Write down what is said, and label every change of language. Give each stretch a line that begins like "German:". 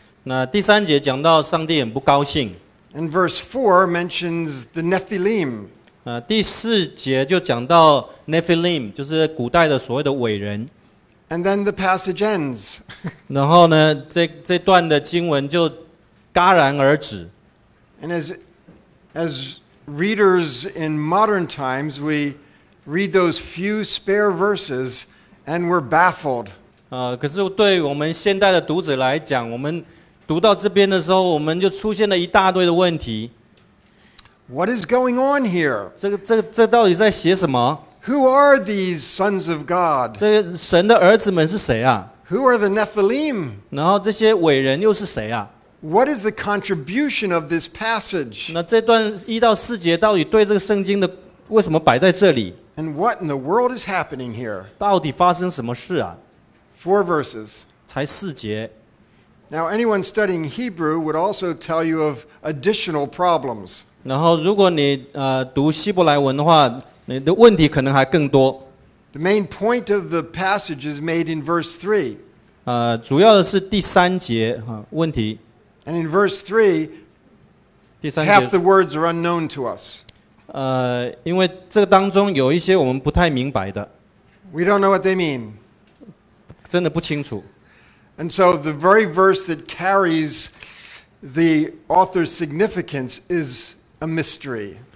Chinese: 那第三节讲到上帝很不高兴。
English: And verse 4 mentions the Nephilim.
Chinese: 第四节就讲到 Nephilim, 就是古代的所谓的伟人。
English: And then the passage ends.
Chinese: 然后呢 这段的经文就戛然而止。
English: And as readers in modern times, we read those few spare verses and we're baffled.
Chinese: 可是对我们现代的读者来讲，我们读到这边的时候，我们就出现了一大堆的问题。
English: What is going on here?
Chinese: 这到底在写什么？
English: Who are these sons of God?
Chinese: 这神的儿子们是谁啊？
English: Who are the Nephilim?
Chinese: 然后这些伟人又是谁啊？
English: What is the contribution of this passage?
Chinese: 那这段一到四节到底对这个圣经的为什么摆在这里？
English: And what in the world is happening here?
Chinese: 到底发生什么事啊？
English: Four verses.
Chinese: 才四节。
English: Now anyone studying Hebrew would also tell you of additional problems.
Chinese: 然后如果你读希伯来文的话，你的问题可能还更多。
English: The main point of the passage is made in verse 3.
Chinese: 主要的是第三节问题。
English: And in verse 3,
Chinese: 第三节
English: half the words are unknown to us.
Chinese: 因为这个当中有一些我们不太明白的。
English: We don't know what they mean.
Chinese: 真的不清楚。
English: And so the very verse that carries the author's significance is a mystery.